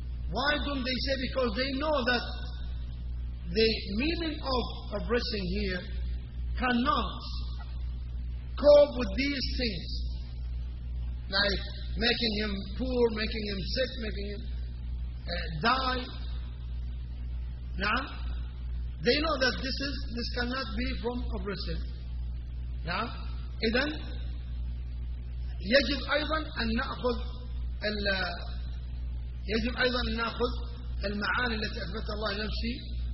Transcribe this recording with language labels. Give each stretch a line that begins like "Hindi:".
English: why don't they say because they know that The meaning of oppressing here cannot cope with these things, like making him poor, making him sick, making him die. Now, they know that this cannot be from oppressing. Now,
Arabic: إذن يجب أيضا أن نأخذ ال يجب أيضا أن نأخذ المعاني التي أثبتها الله لنفسه.